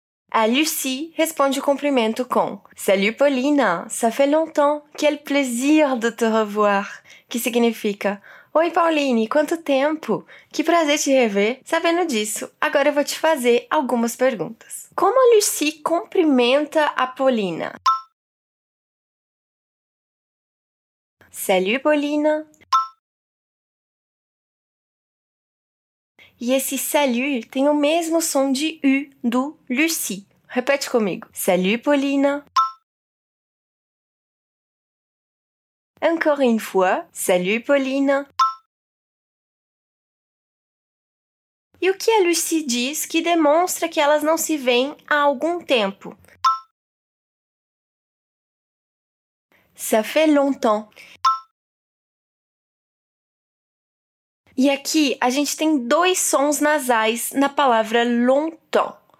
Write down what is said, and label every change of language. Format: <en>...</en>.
<pt>A Lucie responde o cumprimento com</pt> <fr>Salut Paulina, ça fait longtemps, quel plaisir de te revoir.</fr> <pt>Que significa Oi Pauline, quanto tempo, que prazer te rever. Sabendo disso, agora eu vou te fazer algumas perguntas. Como a Lucie cumprimenta a Paulina?</pt> <fr>Salut Paulina.</fr> <pt>E esse salut tem o mesmo som de U do Lucie. Repete comigo.</pt> <fr>Salut, Paulina. Encore une fois, salut, Paulina.</fr> <pt>E o que a Lucie diz que demonstra que elas não se veem há algum tempo?</pt> <fr>Ça fait longtemps.</fr> <pt>E aqui, a gente tem dois sons nasais na palavra longtemps.</pt>